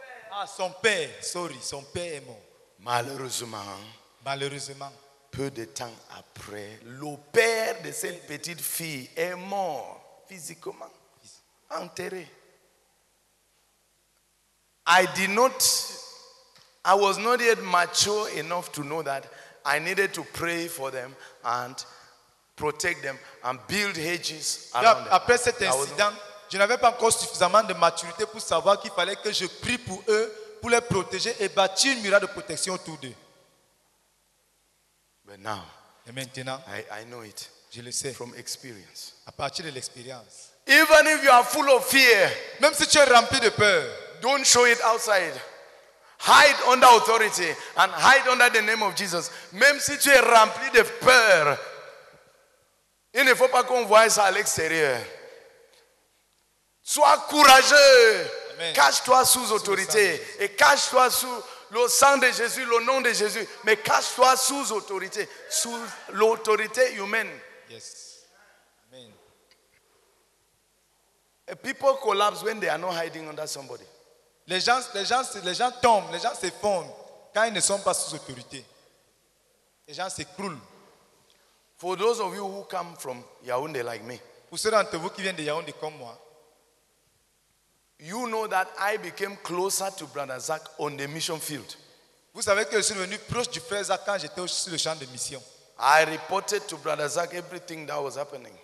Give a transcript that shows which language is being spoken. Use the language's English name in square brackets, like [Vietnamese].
[French] Ah, son père. [English] Sorry, [French] son père est mort. Malheureusement. Malheureusement. Peu de temps après, le père de cette petite fille est mort. Physiquement enterré. [English] I was not yet mature enough to know that I needed to pray for them and protect them and build hedges around [French] après [English] them. [French] Cet incident, je n'avais pas encore suffisamment de maturité pour savoir qu'il fallait que je prie pour eux, pour les protéger et bâtir une muraille de protection autour d'eux. [English] But now, [French] et maintenant, [English] I know it. [French] Je le sais. [English] From experience. [French] À partir de l'expérience. [English] Even if you are full of fear, [French] même si tu es rempli de peur, [English] don't show it outside. Hide under authority and hide under the name of Jesus. [French] Même si tu es rempli de peur, il ne faut pas qu'on voie ça à l'extérieur. Sois courageux. Amen. Cache-toi sous autorité et cache-toi sous le sang de Jésus, le nom de Jésus. Mais cache-toi sous autorité, sous l'autorité humaine. [English] Yes. Amen. And people collapse when they are not hiding under somebody. [French] Les gens tombent, les gens s'effondrent quand ils ne sont pas sous autorité. Les gens s'écroulent. [English] For those of you who come from Yaoundé like me, [French] pour ceux d'entre vous qui viennent de Yaoundé comme moi, [English] you know that I became closer to Brother Zach on the mission field. [French] Vous savez que je suis devenu proche du frère Zach quand j'étais sur le champ de mission. [English] I reported to Brother Zach everything that was happening.